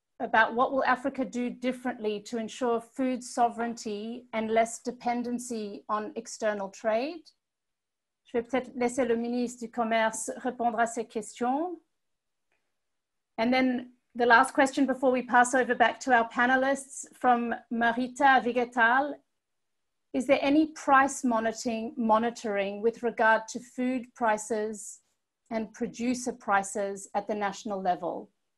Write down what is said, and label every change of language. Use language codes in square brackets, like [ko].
[en] About what will Africa do differently to ensure food sovereignty and less dependency on external trade? [fr] Je vais peut-être laisser le ministre du Commerce répondre à ces questions. [en] And then the last question before we pass over back to our panelists from Marita Vigetal. Is there any price monitoring with regard to food prices and producer prices at the national level?